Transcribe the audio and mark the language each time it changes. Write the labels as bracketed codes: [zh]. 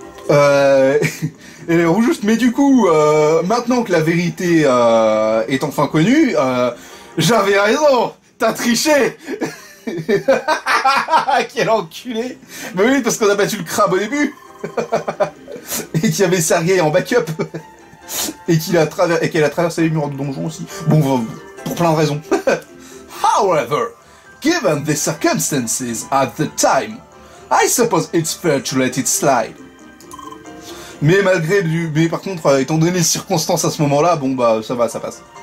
[fr] Et les Rouges, mais du coup, maintenant que la vérité est enfin connue, j'avais raison, t'as triché. Quel enculé. Mais oui, parce qu'on a battu le crabe au début. Et qu'il y avait Sergei en backup. Et qu'elle a traversé les murs de donjon aussi. Bon, pour plein de raisons. [en] However, given the circumstances at the time, I suppose it's fair to let it slide. [fr] Mais par contre, étant donné les circonstances à ce moment-là, bon bah ça va, ça passe.